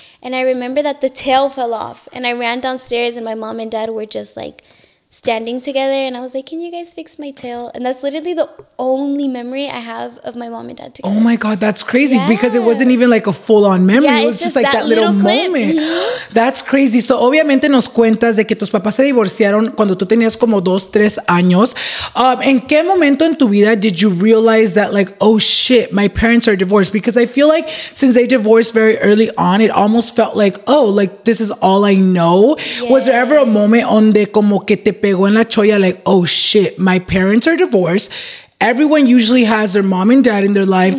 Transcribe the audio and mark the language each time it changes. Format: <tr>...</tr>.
<en>And I remember that the tail fell off and I ran downstairs and my mom and dad were just like standing together. And I was like, can you guys fix my tail? And that's literally the only memory I have of my mom and dad together. Oh my God, that's crazy. Yeah. Because it wasn't even like a full on memory. Yeah, it was just like that little moment. That's crazy.</en> <es>So obviamente nos cuentas de que tus papás se divorciaron cuando tú tenías como 2, 3 años. ¿En qué momento en tu vida</es> <en>did you realize that like, oh shit, my parents are divorced? Because I feel like since they divorced very early on, it almost felt like, oh, like this is all I know. Yeah. Was there ever a moment</en> <es>donde como que te pegó en la choya,</es> <en>like, oh shit, my parents are divorced? Everyone usually has their mom and dad in their life.</en>